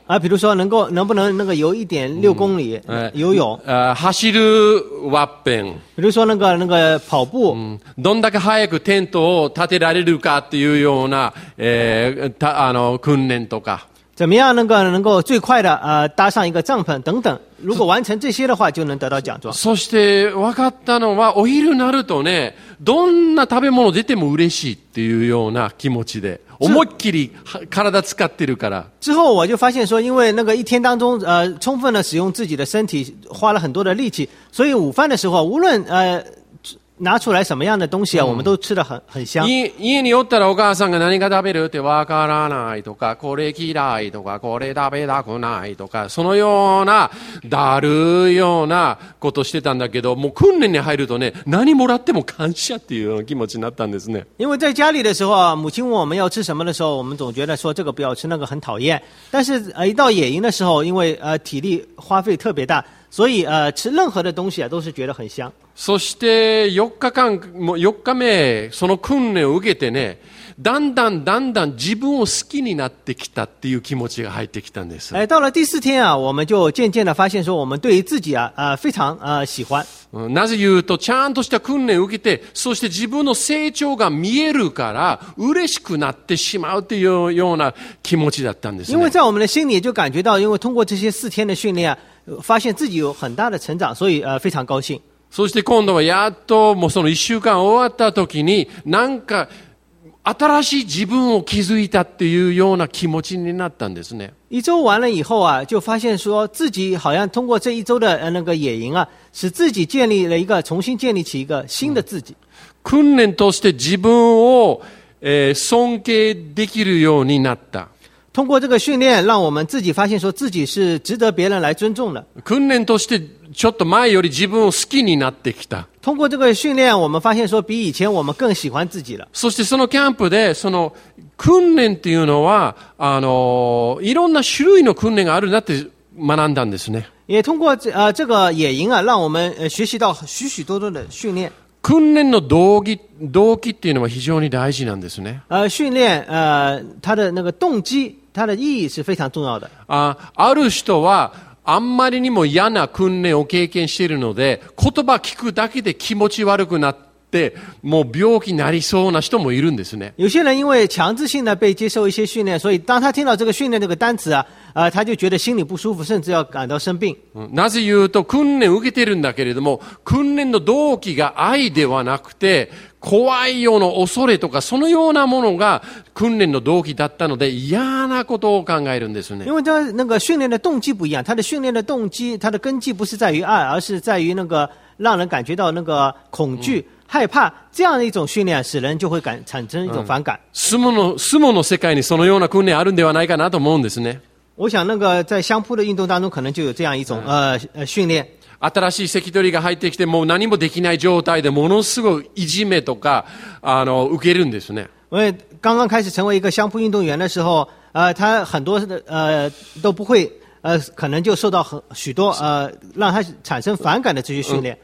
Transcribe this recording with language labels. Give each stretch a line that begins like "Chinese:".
Chinese: 比如说能不能那个游 1.6 公里游泳。
Japanese: 走るワッペン。
Chinese: 比如说那个跑步。
Japanese: どんだけ早くテントを立てられるかっていうような、訓練とか。
Chinese: 怎么样能够最快的搭上一个帐篷等等。如果完成这些的话就能得到奖状。
Japanese: そして分かったのはお昼になるとね、どんな食べ物出ても嬉しいっていうような気持ちで思いっきり体使ってるから。
Chinese: 之后我就发现说，因为那个一天当中，充分的使用自己的身体，花了很多的力气，所以午饭的时候，无论拿出来什么样的东西啊，我们都吃得很香。
Japanese: 家におったらお母さんが何が食べるってわからないとか、これ嫌いとか、これ食べたくないとか、そのようなだるいようなことしてたんだけど、もう訓練に入るとね、何もらっても感謝っていう気持ちになったんですね。
Chinese: 因为在家里的时候啊，母亲问我们要吃什么的时候，我们总觉得说这个不要吃，那个很讨厌。但是一到野营的时候，因为体力花费特别大。所以吃任何的东西啊都是觉得很香。
Japanese: そして4日目その訓練を受けてね、だんだんだんだん自分を好きになってきたっていう気持ちが入ってきたんです。
Chinese: 到了第四天啊，我们就渐渐的发现说，我们对于自己啊，非常喜欢。
Japanese: なぜ言うと、ちゃんとした訓練を受けて、そして自分の成長が見えるから嬉しくなってしまうというような気持ちだったんですね。
Chinese: 因为在我们的心里就感觉到，因为通过这些四天的训练啊。发现自己有很大的成长，所以非常高兴。
Japanese: そして今度はやっともうその1週間終わった時に、なんか新しい自分を気づいたっていうような気持ちになったんですね。
Chinese: 一周完了以后啊，就发现说自己好像通过这一周的那个野营啊，使自己建立了一个重新建立起一个新的自己。
Japanese: 訓練として自分を尊敬できるようになった。
Chinese: 通过这个训练，让我们自己发现，说自己是值得别人来尊重的。
Japanese: 訓練としてちょっと前より自分を好きになってきた。
Chinese: 通过这个训练，我们发现说比以前我们更喜欢自己了。
Japanese: そしてそのキャンプでその訓練っていうのはいろんな種類の訓練があるなって学んだんですね。
Chinese: 也通过这个野营啊，让我们学习到许许多多的训练。
Japanese: 訓練の動機っていうのは非常に大事なんですね。
Chinese: 訓練、他的那个动机、他的意义是非常重要的。
Japanese: ある人は、あんまりにも嫌な訓練を経験しているので、言葉聞くだけで気持ち悪くなって、もう病気になりそうな人もいるんですね。
Chinese: 有些人因为强制性的被接受一些训练、所以当他听到这个训练这个单词啊、他就觉得心里不舒服、甚至要感到生病。
Japanese: なぜ言うと、訓練を受けているんだけれども、訓練の動機が愛ではなくて、怖いような恐れとか、そのようなものが訓練の動機だったので、嫌なことを考えるんですね。
Chinese: 因为他那个训练的动机不一样、他的训练的动机、他的根基不是在于爱、而是在于那个让人感觉到那个恐惧、害怕、这样的一种训练使人就会产生一种反感。
Japanese: 相撲の世界にそのような訓練あるんではないかなと思うんですね。
Chinese: 我想那个在相扑的运动当中可能就有这样一种训练。
Japanese: 新しい関取が入ってきてもう何もできない状態でものすごいいじめとか受けるんですね。
Chinese: 我刚刚开始成为一个相扑运动员的时候，他很多都不会，可能就受到许多让他产生反感的这些训练。